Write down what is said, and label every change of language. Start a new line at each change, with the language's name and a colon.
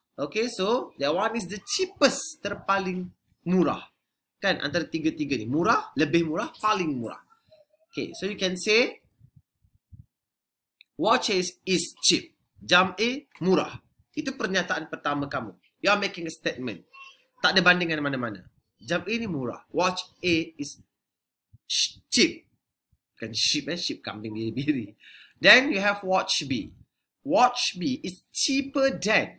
English: Okay, so that one is the cheapest,
Malay: terpaling murah. Kan, antara tiga-tiga ni. Murah, lebih murah, paling murah.
English: Okay, so you can say watches is cheap.
Malay: Jam A, murah. Itu pernyataan pertama kamu.
English: You are making a statement.
Malay: Tak ada bandingan mana-mana. Jam A ni murah.
English: Watch A is cheap.
Malay: Bukan sheep eh, sheep kambing biri-biri.
English: Then you have watch B. Watch B is cheaper than.